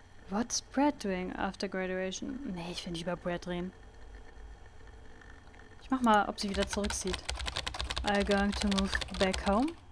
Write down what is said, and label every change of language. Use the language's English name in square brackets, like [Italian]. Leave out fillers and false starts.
[English] What's Brad doing after graduation? [German] Nee, ich will nicht über Brad reden. Ich mach mal, ob sie wieder zurückzieht. [English] Are you going to move back home?